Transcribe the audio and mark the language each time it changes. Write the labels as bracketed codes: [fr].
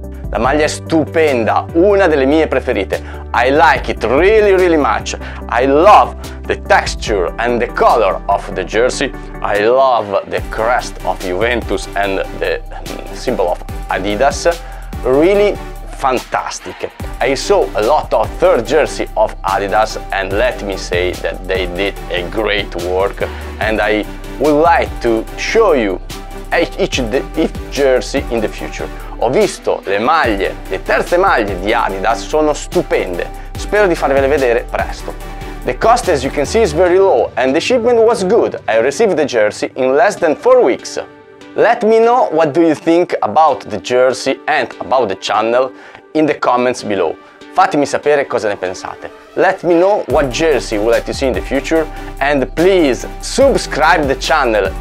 [it] La maglia è stupenda, una delle mie preferite. [en] I like it really, really much. I love the texture and the color of the jersey. I love the crest of Juventus and the symbol of Adidas. Really fantastic. I saw a lot of third jersey of Adidas and let me say that they did a great work. And I would like to show you each jersey in the future. [it] Ho visto le maglie, le terze maglie di Adidas sono stupende. Spero di farvele vedere presto. [en] The cost, as you can see, is very low and the shipment was good. I received the jersey in less than 4 weeks. Let me know what do you think about the jersey and about the channel in the comments below. [it] Fatemi sapere cosa ne pensate. [en] Let me know what jersey would like to see in the future and please subscribe the channel.